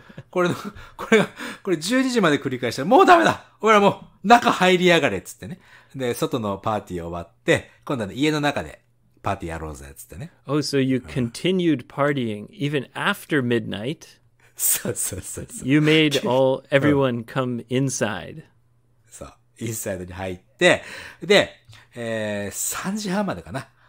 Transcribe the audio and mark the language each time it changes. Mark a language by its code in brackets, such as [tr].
[ja] これ12時まで繰り返したら、もうダメだ! 俺らもう、中入りやがれっつってね。で、外のパーティー終わって、今度は、ね、家の中で、パーティーやろうぜっつってね。 [en] Oh, so you continued partying even after midnight. [ja] そうそうそうそう。 [en] You made all everyone come inside. [ja] そう、インサイドに入って、で、3時半までかな。